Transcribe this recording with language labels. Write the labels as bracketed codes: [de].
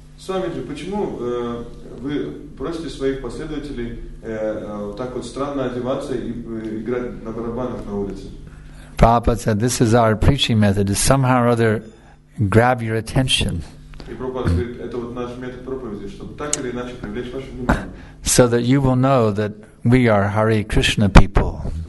[ru] Swamiji, почему вы просите своих последователей так вот странно одеваться и играть на барабанах на улице? [en] Prabhupada said, this is our preaching method, to somehow or other grab your attention. [ru] И Prabhupada говорит, это вот наш метод проповеди, чтобы так или иначе привлечь ваше внимание. [en] So that you will know that we are Hare Krishna people.